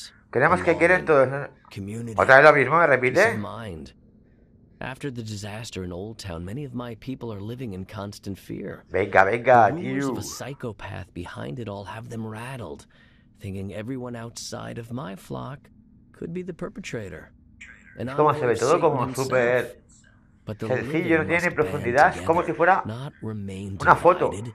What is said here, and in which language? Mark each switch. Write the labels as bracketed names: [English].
[Spanish] Creemos que quieren todos. ¿Otra vez lo mismo, me repite? [English] After the disaster in Old Town, many of my people are living in constant fear. [Spanish] Venga, tío. [English] The rumors of a psychopath behind it all have them rattled, thinking everyone outside of my flock could be the perpetrator. [Spanish] Es como se ve todo como súper... sencillo, no tiene ni profundidad, como si fuera una foto.